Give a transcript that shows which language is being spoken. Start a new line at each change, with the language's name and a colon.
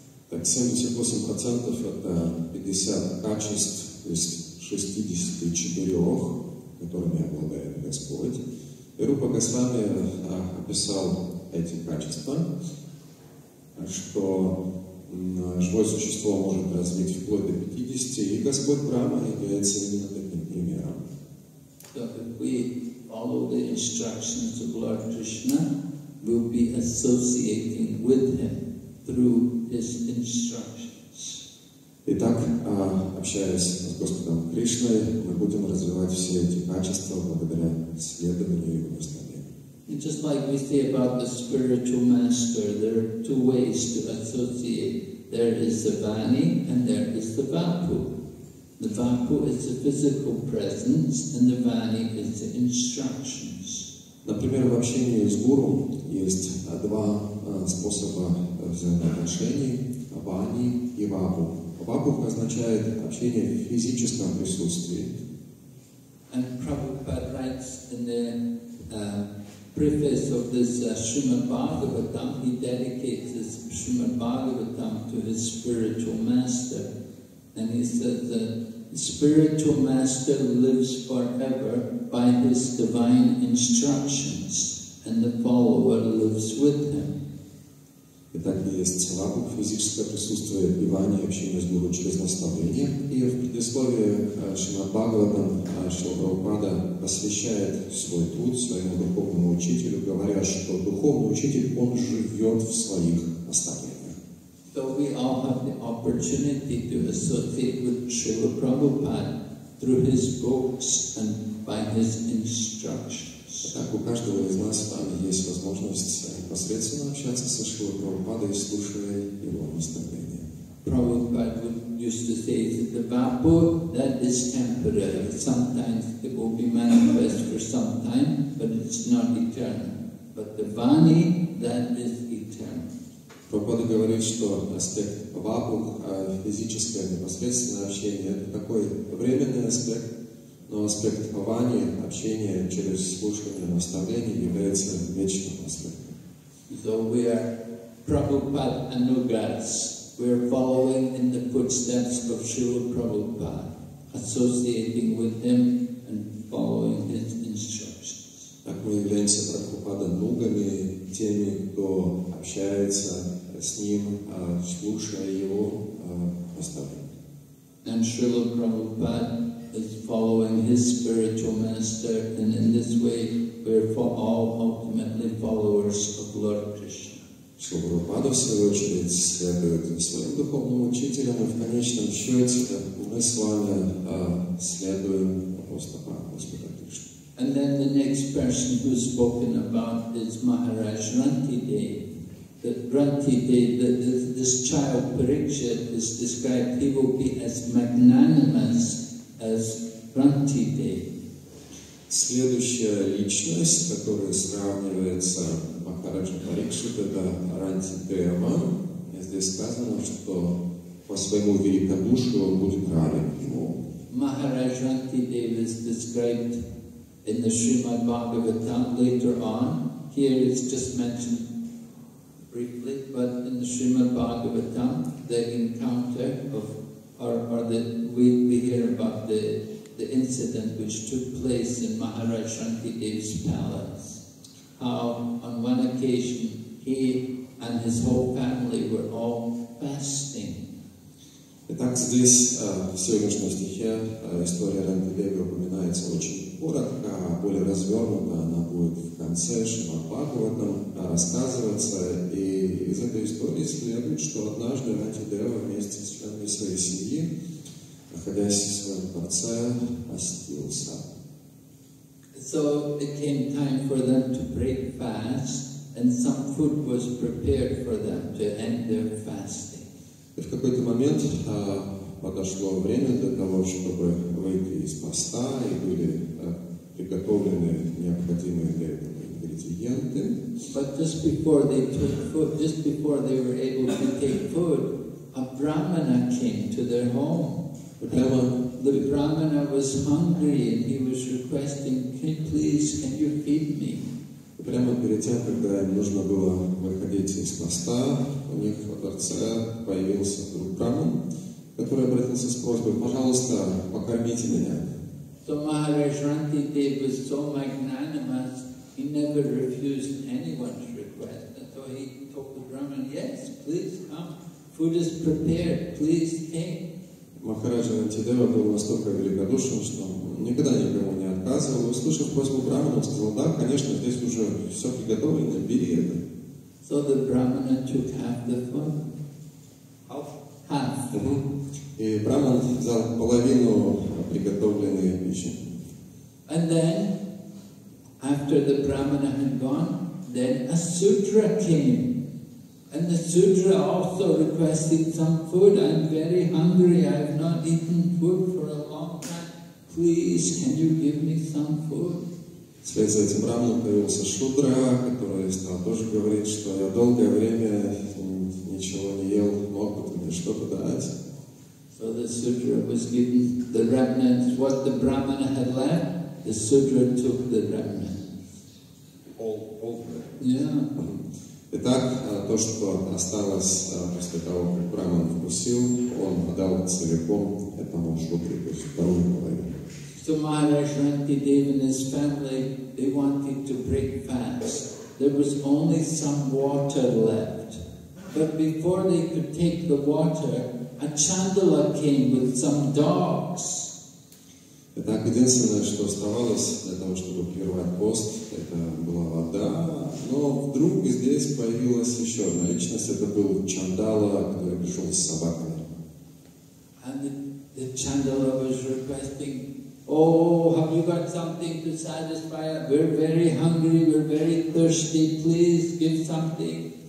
Russian: Так 78% это 50 качеств из 64, которыми обладает Господь. И Рупа Госвами описал эти качества, что живое существо может развить вплоть до 50, и Господь Брама является именно таким примером.
English: So if we follow the instructions of Lord Krishna, we'll be associating with him through his instructions.
Russian: Итак, общаясь с Господом Кришной, мы будем развивать все эти качества благодаря следованию его наставлению.
English: Just like we say about the spiritual master, there are two ways to associate. There is the Vani and there is the Vapu. The Vapu is the physical presence and the Vani is the instructions.
Russian: Например, в общении с Гуру есть два способа взаимоотношений, Вани и Вапу. Вапу означает общение в физическом присутствии.
English: And Prabhupada writes in the preface of this Srimad Bhagavatam, he dedicates this Srimad Bhagavatam to his spiritual master. And he says that the spiritual master lives forever by his divine instructions, and the follower lives with him.
Russian: Итак, есть вакуум, физическое присутствие Ивани, общение с Гуру через наставление. И в предисловии Шримад Бхагаватам Шрила Прабхупада посвящает свой труд своему духовному учителю, говоря, что духовный учитель, он живет в своих наставлениях.
English: So we all have the opportunity to associate with Шрила Прабхупада through his books and by his instructions.
Russian: Так, у каждого из нас с вами есть возможность непосредственно общаться со Шрилой Прабхупадой, слушая его наставления.
English: Prabhupada used to say that the Vapu, that is temporary. Sometimes it will be manifest for some time, but it's not eternal. But the Vani, that is eternal.
Russian: Прабхупада говорит, что аспект Вапу, физическое непосредственное общение, это такой временный аспект, но аспект Вани, общение через слушание наставлений, является вечным аспектом.
English: So we are Prabhupada Anugas. We are following in the footsteps of Srila Prabhupada, associating with him and following his instructions.
Russian: Так мы являемся Прабхупада Анугами, теми, кто общается с ним, слушая его наставления.
English: And Srila Prabhupada is following his spiritual master, and in this way, we're all ultimately followers of Lord Krishna.
Russian: Шрилупада, в свою очередь, следует своим духовным учителям, и в конечном счете мы с вами следуем апостолу Господа Кришне.
English: And then the next person who's spoken about is Maharaj Rantideva. This child Parikshit is described, he will be as magnanimous as Rantideva.
Russian: Следующая личность, которая сравнивается с Махараджа Парикшит, это Рантидева. Здесь сказано, что по своему великодушию он будет равен ему.
English: Maharaj Rantideva is described in the Srimad Bhagavatam later on. Here it's just mentioned briefly, but in the Srimad Bhagavatam, the encounter of, we hear about the incident which took place in Maharaj Rantideva's palace. How on one occasion he and his whole family were all fasting.
Russian: Итак, здесь, в сегодняшнем стихе, история Рантидевы упоминается очень коротко, а более развернуто она будет в конце Шримад-Бхагаватам рассказываться. И из этой истории следует, что однажды Рантидева вместе с членами своей семьи, находясь в своем дворце, постился.
English: So it came time for them to break fast, and some food was prepared for them to end their fasting.
Russian: И в какой-то момент подошло время для того, чтобы выйти из поста, и были приготовлены необходимые для этого ингредиенты.
English: But just before they took food, just before they were able to take food, a brahmana came to their home. The brahmana was hungry, and he was requesting, please, can you feed me?
Russian: Прямо перед тем, когда им нужно было выходить из поста, у них во дворце появился друг браман, который обратился с просьбой, пожалуйста, покормите меня.
English: So Maharaj Rantideva was so magnanimous, he never refused anyone's request. And so he told the brahman, yes, please come, food is prepared, please take.
Russian: Махараджа Рантидева был настолько великодушен, что никогда никому не отказывал. Услышав просьбу брахмана, он сказал, да, конечно, здесь уже все приготовлено, бери это.
English: So the brahmana took half the food. Half.
Russian: И брахман взял половину приготовленной пищи.
English: And then, after the brahmana had gone, then a sudra came. And the sudra also requested some food. I'm very hungry. I have not eaten food for a long time. Please, can you give me some food?
Russian: Вслед за этим браманом появился шудра, который стал тоже говорить, что я долгое время ничего не ел, мог бы мне что-то дать.
English: So the sudra was given the remnants. What the brahmana had left, the sudra took the remnants. All. Yeah.
Russian: Итак, то, что осталось после того, как браман вкусил, он отдал целиком этому шудре, то есть второму половину.
English: So Maharaj Rantideva and his family, they wanted to break fast. There was only some water left. But before they could take the water, a chandala came with some dogs.
Russian: Итак, единственное, что оставалось для того, чтобы прервать пост, это была вода. Но вдруг здесь появилась еще одна личность. Это был чандала, который пришел с собаками.
English: And the chandala was requesting, oh, have you got something to satisfy us? We're very hungry, we're very thirsty, please give something.